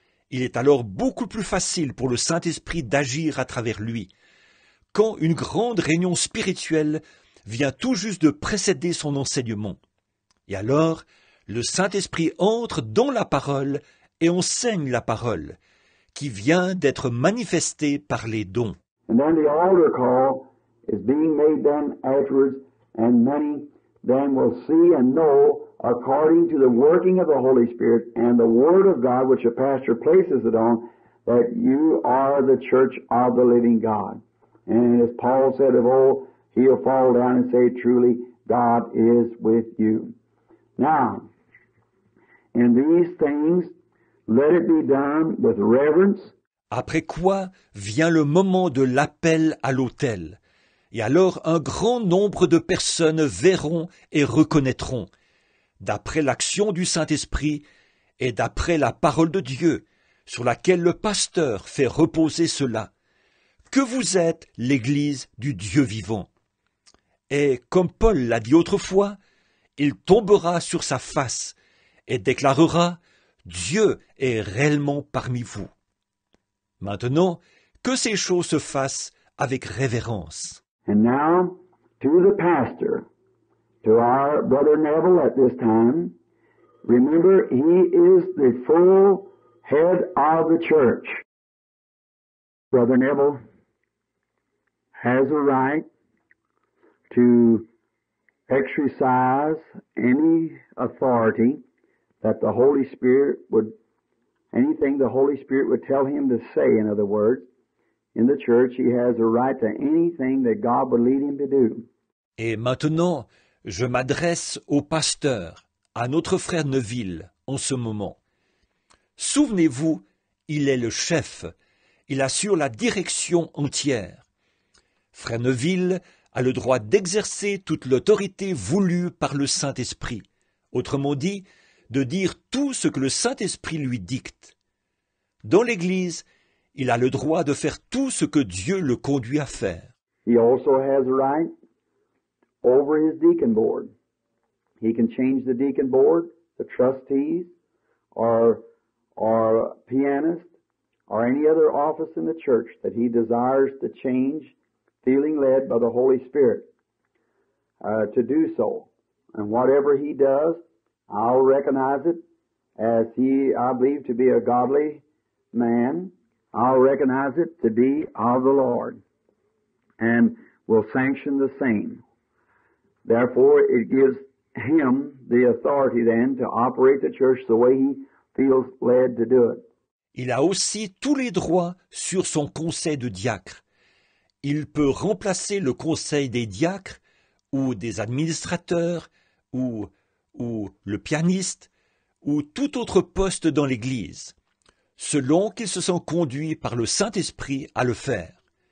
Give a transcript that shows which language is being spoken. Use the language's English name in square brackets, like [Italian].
[French] Il est alors beaucoup plus facile pour le Saint-Esprit d'agir à travers lui. Quand une grande réunion spirituelle vient tout juste de précéder son enseignement. Et alors, le Saint-Esprit entre dans la parole et enseigne la parole, qui vient d'être manifestée par les dons. [English] And then the altar call is being made then afterwards, and many then will see and know according to the working of the Holy Spirit and the Word of God which a pastor places it on, that you are the church of the living God. And as Paul said of old, he'll fall down and say, truly, God is with you. Now, in these things, let it be done with reverence. [French] Après quoi vient le moment de l'appel à l'autel. Et alors un grand nombre de personnes verront et reconnaîtront, d'après l'action du Saint-Esprit et d'après la parole de Dieu, sur laquelle le pasteur fait reposer cela, que vous êtes l'Église du Dieu vivant. Et comme Paul l'a dit autrefois, il tombera sur sa face et déclarera « Dieu est réellement parmi vous ». Maintenant, que ces choses se fassent avec révérence. [English] And now, to the pastor, to our brother Neville at this time, remember he is the full head of the church. Brother Neville has a right to exercise any authority that the Holy Spirit would, anything the Holy Spirit would tell him to say, in other words, in the church, he has a right to anything that God would lead him to do. [French] Et maintenant, je m'adresse au pasteur, à notre frère Neville, en ce moment. Souvenez-vous, il est le chef, il assure la direction entière. Frère Neville a le droit d'exercer toute l'autorité voulue par le Saint-Esprit, autrement dit, de dire tout ce que le Saint-Esprit lui dicte. Dans l'Église, il a le droit de faire tout ce que Dieu le conduit à faire. [English] He also has a right over his deacon board. He can change the deacon board, the trustees, or pianist, or any other office in the church that he desires to change, feeling led by the Holy Spirit to do so. And whatever he does, I'll recognize it as he, I believe, to be a godly man. I'll recognize it to be of the Lord and will sanction the same. Therefore, it gives him the authority then to operate the church the way he feels led to do it. [French] Il a aussi tous les droits sur son conseil de diacre. Il peut remplacer le conseil des diacres ou des administrateurs ou le pianiste ou tout autre poste dans l'Église, selon qu'il se sent conduit par le Saint-Esprit à le faire.